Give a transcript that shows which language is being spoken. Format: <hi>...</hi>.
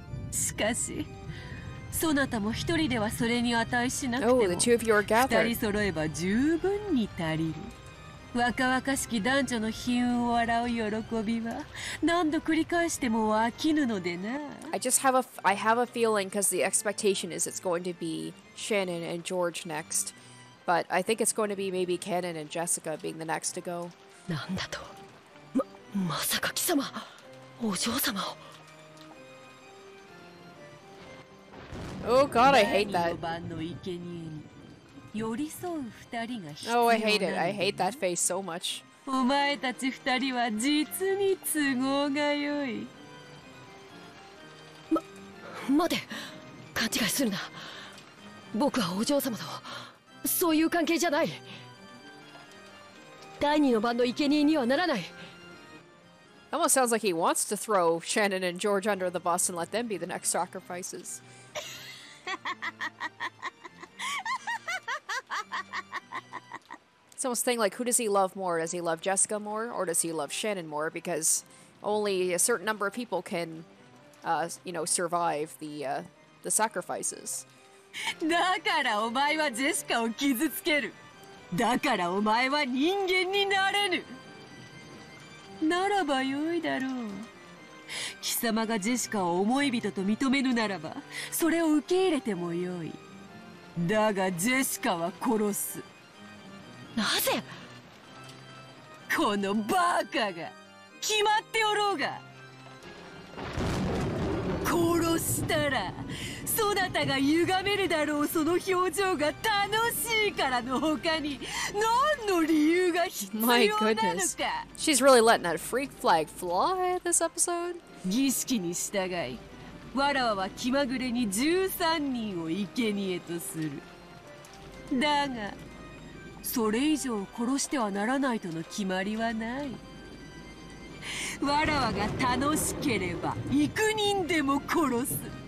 <ja>しかし、そなたも一人ではそれに値しなくても、</ja> <en>the two of you are gathered.</en> <ja>二人揃えば十分に足りる。若々しき男女の品を笑う喜びは、何度繰り返しても飽きぬのでな。</ja> <en>I have a feeling, because the expectation is it's going to be Shannon and George next. But I think it's going to be maybe Kanon and Jessica being the next to go.</en> <ja>なんだと？まさか貴様、お嬢様を。</ja> <en>Oh god, I hate that. Oh, I hate it. I hate that face so much.</en> <ja>Mate, 勘違いするな。僕はお嬢様とそういう関係じゃない。第二の番の生贄にはならない。</ja> <en>Almost sounds like he wants to throw Shannon and George under the bus and let them be the next sacrifices. It's almost thing like, who does he love more? Does he love Jessica more, or does he love Shannon more? Because only a certain number of people can, survive the sacrifices.</en> <ja>だからお前はジェシカを傷つける。だからお前は人間になれぬ。ならばよいだろう。貴様がジェシカを思い人と認めぬならば、それを受け入れてもよい。だがジェシカは殺す。なぜ？このバカが。決まっておろうが。殺したら、そなたが歪めるだろうその表情が楽しいからの他に、何の理由が必要なのか。</ja> <en>My goodness. She's really letting that freak flag fly this episode.</en> <ja>儀式に従い、わらわは気まぐれに13人を生贄とする。だが、それ以上殺してはならないとの決まりはない。わらわが楽しければ幾人でも殺す。</ja>